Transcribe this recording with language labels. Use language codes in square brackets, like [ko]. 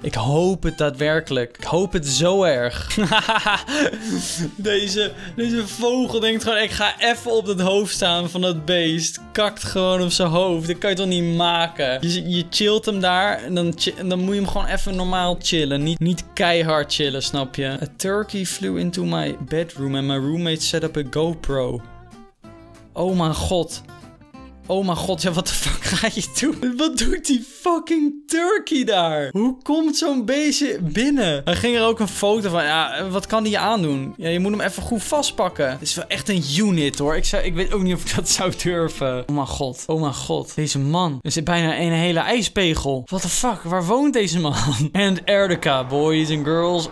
[nl] Ik hoop het daadwerkelijk. Ik hoop het zo erg. Deze vogel denkt gewoon, ik ga even op het hoofd staan van dat beest. Kakt gewoon op zijn hoofd. Dat kan je toch niet maken? Je chillt hem daar en dan moet je hem gewoon even normaal chillen. Niet keihard chillen, snap je? [en] A turkey flew into my bedroom and my roommate set up a GoPro. [nl] Oh mijn god. Oh mijn god, ja, wat de fuck ga je doen? Wat doet die fucking turkey daar? Hoe komt zo'n beestje binnen? Hij ging er ook een foto van. Ja, wat kan die aandoen? Ja, je moet hem even goed vastpakken. Het is wel echt een unit, hoor. Ik weet ook niet of ik dat zou durven. Oh mijn god. Oh mijn god. Deze man. Er zit bijna een hele ijspegel. [en] What the fuck? [nl] Waar woont deze man? [en] Antarctica, boys and girls.